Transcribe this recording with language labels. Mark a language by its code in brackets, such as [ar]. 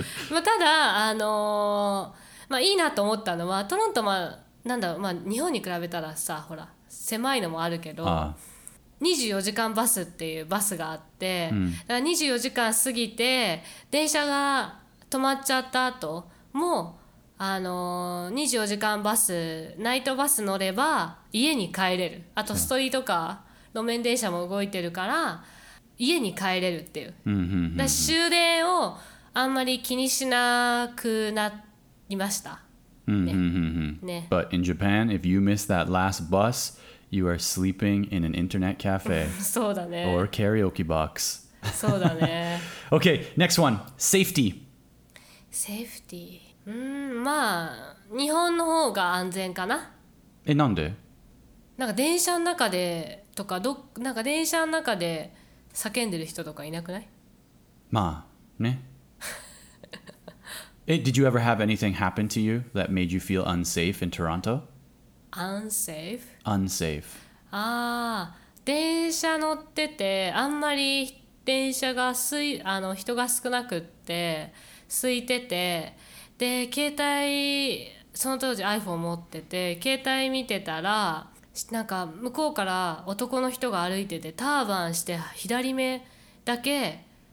[ja] まあただまあいいなと思ったのは、トロントまあなんだろう、まあ日本に比べたらさ、ほら狭いのもあるけど、24時間バスっていうバスがあって、だから24時間過ぎて電車が止まっちゃった後も、24時間バス、ナイトバス乗れば家に帰れる。あとストリートカー、路面電車も動いてるから家に帰れるっていう。だから終電をあんまり気にしなくなりました。ね。ね。 [en] But in Japan, if you miss that last bus,You are sleeping in an internet cafe. [ja] そうだね。 [en] Or karaoke box. [ja] そうだね。 [en] Okay, next one. Safety. Safety. [ja] まあ、日本の方が安全かな。え、なんで？なんか電車の中でとか、なんか電車の中で叫んでる人とかいなくない？まあ、ね。 [en] え、did you ever have anything happen to you that made you feel unsafe in Toronto? Unsafe. [ja] ああ、電車乗ってて、あんまり電車が人が少なくって、空いてて、で、携帯、その当時 iPhone 持ってて、携帯見てたら、なんか向こうから男の人が歩いてて、ターバンして左目だけ